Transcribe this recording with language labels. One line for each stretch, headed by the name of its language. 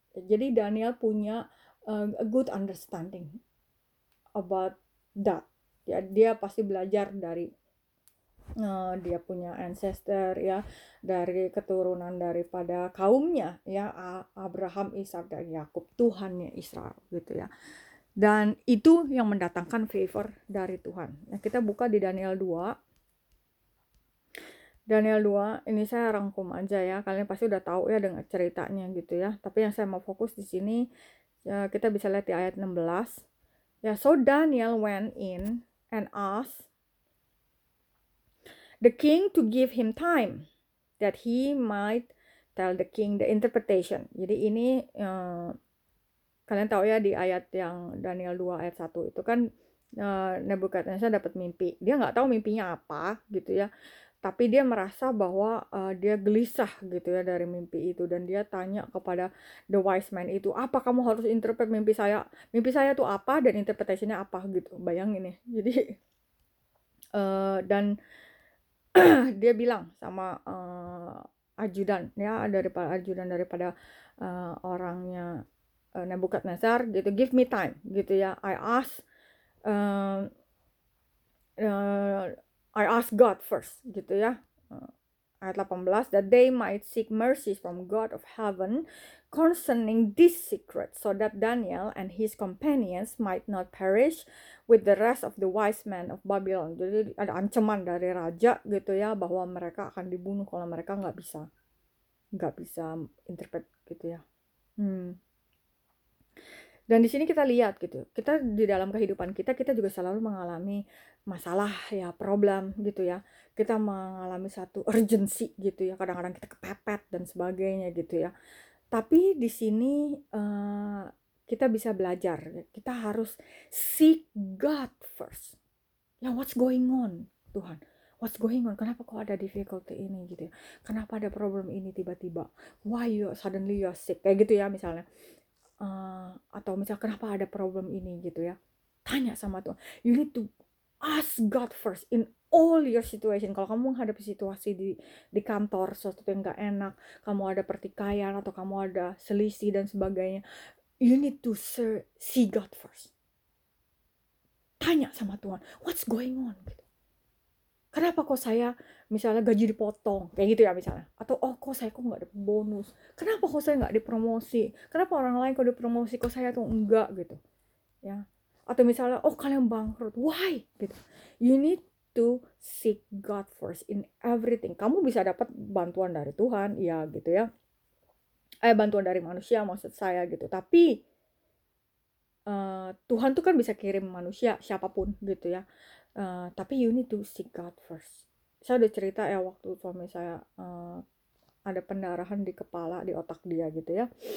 Indonesian: Jadi Daniel punya
English: a good understanding about that
Indonesian: ya, dia pasti belajar dari dia punya ancestor ya, dari keturunan daripada kaumnya ya, Abraham, Ishak dan Yakub, Tuhannya Israel gitu ya. Dan itu yang mendatangkan favor dari Tuhan. Nah, kita buka di Daniel 2. Daniel 2, ini saya rangkum aja ya. Kalian pasti udah tahu ya dengan ceritanya gitu ya. Tapi yang saya mau fokus di sini ya, kita bisa lihat di ayat 16.
English: Ya, so Daniel went in and asked the king to give him time that he might tell the king the interpretation.
Indonesian: Jadi ini kalian tahu ya di ayat yang Daniel 2 ayat 1 itu kan Nebukadnezar dapat mimpi. Dia enggak tahu mimpinya apa gitu ya. Tapi dia merasa bahwa dia gelisah gitu ya dari mimpi itu, dan dia tanya kepada the wise man itu, "Apa kamu harus interpret mimpi saya? Mimpi saya tuh apa dan interpretasinya apa?" gitu. Bayangin ya. Jadi dan dia bilang sama ajudan ya, daripada ajudan daripada orangnya Nebukadnezar gitu,
English: give me time
Indonesian: gitu ya,
English: I ask God first
Indonesian: gitu ya.
English: Ayat 18, that they might seek mercy from God of heaven concerning this secret, so that Daniel and his companions might not perish with the rest of the wise men of Babylon.
Indonesian: Jadi ada ancaman dari raja gitu ya, bahwa mereka akan dibunuh kalau mereka nggak bisa interpret gitu ya. Dan di sini kita lihat gitu, kita di dalam kehidupan kita juga selalu mengalami masalah ya, problem gitu ya. Kita mengalami satu urgency gitu ya, kadang-kadang kita kepepet dan sebagainya gitu ya. Tapi di sini kita bisa belajar, kita harus
English: seek God first. Ya, what's going on, Tuhan? What's going on?
Indonesian: Kenapa kok ada difficulty ini gitu ya? Kenapa ada problem ini tiba-tiba?
English: Why you suddenly you're sick?
Indonesian: Kayak gitu ya misalnya. atau misal kenapa ada problem ini gitu ya. Tanya sama Tuhan.
English: You need to ask God first in all your situation.
Indonesian: Kalau kamu menghadapi situasi di kantor, sesuatu yang gak enak, kamu ada pertikaian atau kamu ada selisih dan sebagainya,
English: you need to see God first.
Indonesian: Tanya sama Tuhan,
English: what's going on?
Indonesian: Kenapa kok saya misalnya gaji dipotong? Kayak gitu ya misalnya. Atau oh kok saya kok gak dapet bonus? Kenapa kok saya gak dipromosi? Kenapa orang lain kok dipromosi, kok saya tuh enggak gitu. Ya. Atau misalnya, oh kalian bangkrut, why? Gitu.
English: You need to seek God first in everything.
Indonesian: Kamu bisa dapat bantuan dari Tuhan, ya gitu ya. Bantuan dari manusia maksud saya gitu. Tapi Tuhan tuh kan bisa kirim manusia siapapun gitu ya. Tapi
English: you need to seek God first.
Indonesian: Saya udah cerita ya waktu suami saya ada pendarahan di kepala, di otak dia gitu ya.